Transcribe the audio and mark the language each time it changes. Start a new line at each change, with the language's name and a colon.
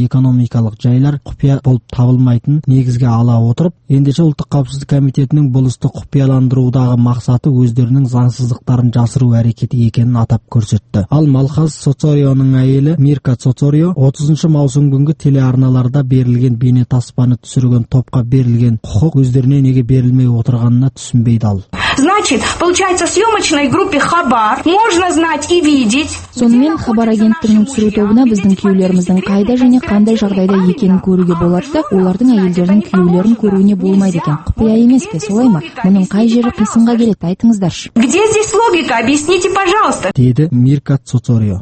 Kazakh: экономикалық жайлар құпия болып табылмайтын негізге ала отырып, ендеше ұлттық қауіпсіздік комитетінің бұл істі құпияландырудағы мақсаты өздерінің заңсыздықтарын жасыру әрекеті екенін атап көрсетті. Ал Малхаз Соцорионың әйелі Мирка Соцорио 30 маусым күнгі телеарналарда берілген бейне таспаны түсірген топқа берілген құқық өздеріне неге берілмей отырғанына түсінбейді ал.
Russian: Значит, получается, в съемочной группе Хабар можно знать и видеть.
Kazakh: Сонымен Хабар агенттігінің түсіру тобына біздің күйеулеріміздің қайда және қандай жағдайда екенін көруге болады, олардың әйелдерінің күйеулерін көруіне болмайды екен. Құпия емес пе, солай ма? Мұның қай жері қисынға келеді, айтыңыздаршы.
Russian: Где здесь логика? Объясните, пожалуйста.
Kazakh: Деді Мирка Цоцорио.